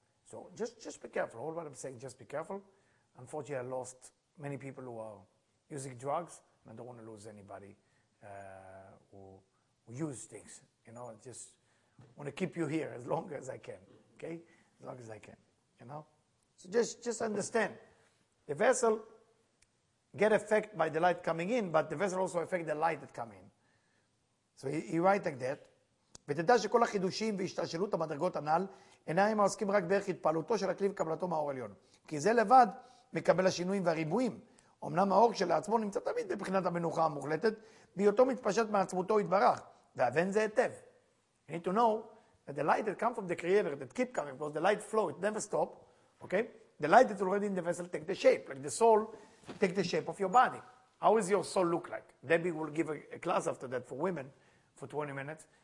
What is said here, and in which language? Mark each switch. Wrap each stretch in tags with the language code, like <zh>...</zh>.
<en>So just be careful. All what I'm saying, just be careful. Unfortunately, I lost many people who are using drugs, and I don't want to lose anybody who use things. You know, I just want to keep you here as long as I can. Okay? As long as I can. You know? So just understand. The vessel get affected by the light coming in, but the vessel also affect the light that come in. So he write like that.</en> <he>ותדע שכל החידושים והשתלשלות המדרגות הנ"ל אינם עוסקים רק בערך התפעלותו של הכלי וקבלתו מהאור העליון. כי זה לבד מקבל השינויים והריבועים. אמנם האור שלעצמו נמצא תמיד בבחינת המנוחה המוחלטת, בהיותו מתפשט מעצמותו התברך. והבן זה היטב.</he> <en>You need to know that the light that comes from the creator, that keep coming, because the light flow, it never stop, okay? The light that's already in the vessel take the shape, like the soul take the shape of your body. How is your soul look like? Debbie will give a class after that for women for 20 minutes.</en>